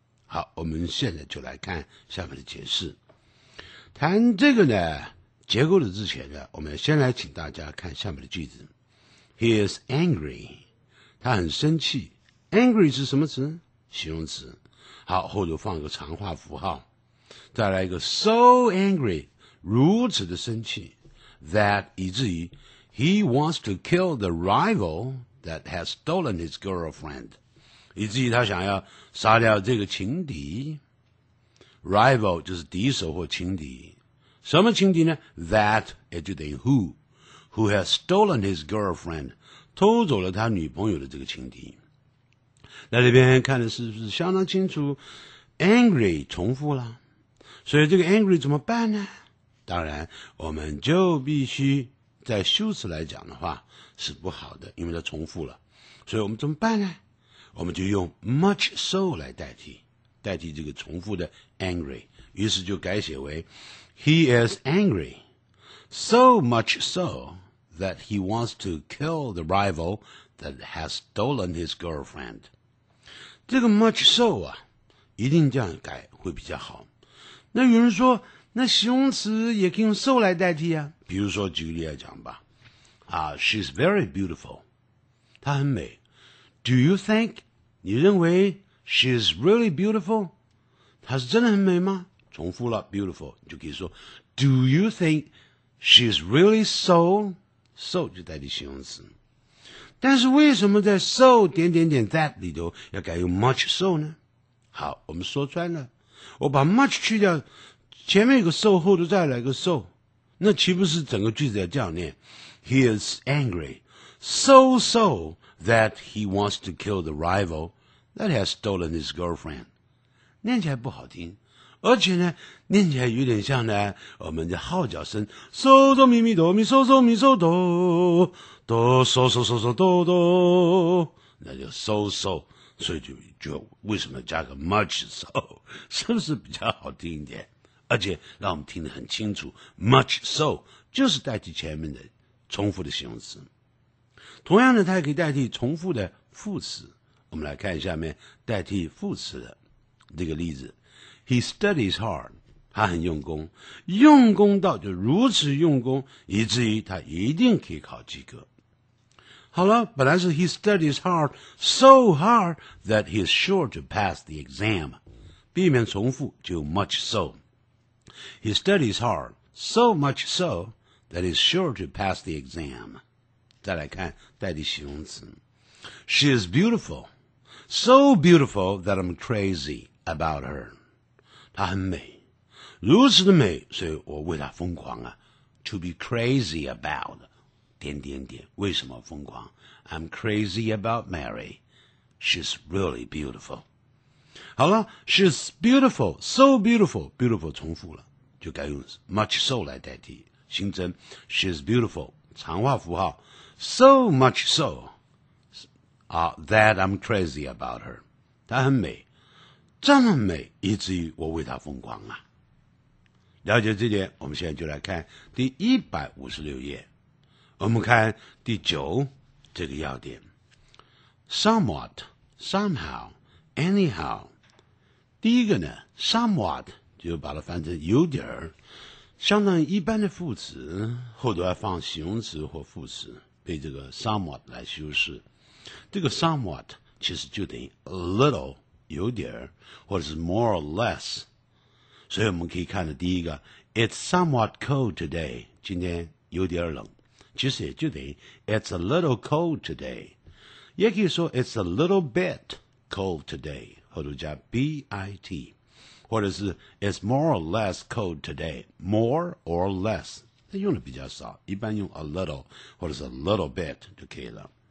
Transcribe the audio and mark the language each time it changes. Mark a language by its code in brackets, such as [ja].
[zh] 好，我们现在就来看下面的解释。谈这个呢结构的之前呢，我们先来请大家看下面的句子。 [en] He is angry. [zh] 他很生气。Angry 是什么词？形容词。好，后头放一个长话符号。再来一个 [en] so angry, [zh] 如此的生气 [en] ,that [zh] 以至于 [en] he wants to kill the rival that has stolen his girlfriend. [zh] 以至于他想要杀掉这个情敌。Rival 就是敌手或情敌，什么情敌呢 ？That 也就等于 [en] who has stolen his girlfriend, [zh] 偷走了他女朋友的这个情敌。那这边看的是不是相当清楚 ？Angry 重复了，所以这个 angry 怎么办呢？当然，我们就必须在修辞来讲的话是不好的，因为它重复了，所以我们怎么办呢？我们就用 much so 来代替。代替这个重复的 [en] angry, [zh] 于是就改写为 [en] He is angry, so much so that he wants to kill the rival that has stolen his girlfriend. [zh] 这个 much so 啊，一定这样改会比较好。那有人说，那形容词也可以用 so 来代替啊，比如说举例来讲吧， [en] She's very beautiful, [zh] 她很美。 [en] Do you think? [zh] 你认为 [en] she's really beautiful? [zh] 她是真的很美吗？重复了 [en] beautiful, [zh] 你就可以说 [en] Do you think she's really so? [zh] So 就代替形容词。但是为什么在 so 点点点 that 里头要改用 much so 呢？好，我们说穿了，我把 much 去掉，前面有个 so, 后头再来个 so, 那岂不是整个句子要这样念？ [en] He is angry, so so that he wants to kill the rival that has stolen his girlfriend. [zh] 念起来不好听，而且呢，念起来有点像呢我们的号角声 so so mi mi do mi so so mi so do do so so so so do do, 那就 so so,所以就为什么加个 much so, 是不是比较好听一点，而且让我们听得很清楚， much so 就是代替前面的重复的形容词。同样的，它也可以代替重复的副词。我们来看下面代替副词的这个例子。 [en] He studies hard, [zh] 他很用功，用功到就如此用功，以至于他一定可以考及格。好了，本来是 [en] he studies hard, so hard that he is sure to pass the exam. [zh] 避免重复就 much so. [en] He studies hard, so much so that he is sure to pass the exam. [zh] 再来看代替形容词。 [en] She is beautiful, so beautiful that I'm crazy about her. [zh] 她很美，如此的美，所以我为她疯狂啊。 [en] To be crazy about. [zh] 点点点，为什么疯狂？ [en] I'm crazy about Mary. She's really beautiful. [zh] 好了， [en] She's beautiful, so beautiful. Beautiful [zh] 重复了，就该用 [en] much so [zh] 来代替，形成 [en] She's beautiful [zh] 长化符号 [en] So much so、that I'm crazy about her. [zh] 她很美，这么美，以至于我为她疯狂啊。了解这点，我们现在就来看第156页，我们看第九这个要点。 [en] Somewhat, somehow, anyhow. [zh] 第一个呢 ,somewhat, 就把它翻成有点儿，相当于一般的副词，后头要放形容词或副词，被这个 somewhat 来修饰。这个 somewhat 其实就等于 a little, 有点儿，或者是 more or less。所以我们可以看的第一个 , [en] it's somewhat cold today, [zh] 今天有点冷。其实也就等于 [en] It's a little cold today, [zh] 也可以说 [en] It's a little bit cold today, [zh] 后头加 [en] bit, [zh] 或者是 [en] It's more or less cold today, more or less, [zh] 它用的比较少，一般用 [en] a little, 或者是 a little bit [zh] 就可以了。